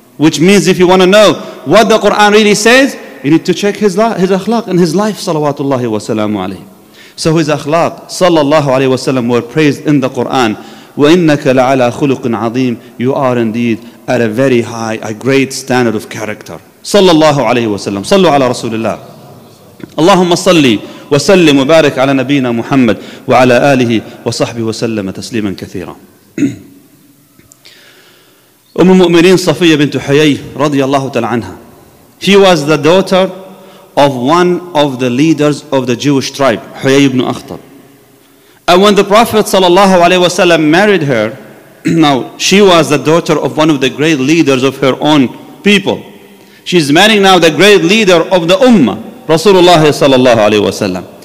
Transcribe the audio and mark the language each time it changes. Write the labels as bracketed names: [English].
[English] Which means, if you want to know what the Quran really says, you need to check his akhlaq and his life, salawatullahi wasallamu alaihi. So his akhlaq sallallahu alaihi wasallam were praised in the Quran. [Arabic] وَإِنَّكَ لَعَلَىٰ خُلُقٍ عَظِيمٍ. [English] You are indeed at a very high, a great standard of character. [Arabic] صلى الله عليه وسلم. صلوا على رسول الله. اللهم صلي وسلم وبارك على نبينا محمد وعلى آله وصحبه وسلم تسليما كثيرا. أم المؤمنين صفية بنت حيي رضي الله تعالى عنها. [English] She was the daughter of one of the leaders of the Jewish tribe, حيي بن أخطب. And when the Prophet sallallahu alaihi wasallam married her, now she was the daughter of one of the great leaders of her own people. She's marrying now the great leader of the ummah, Rasulullah sallallahu alaihi wasallam.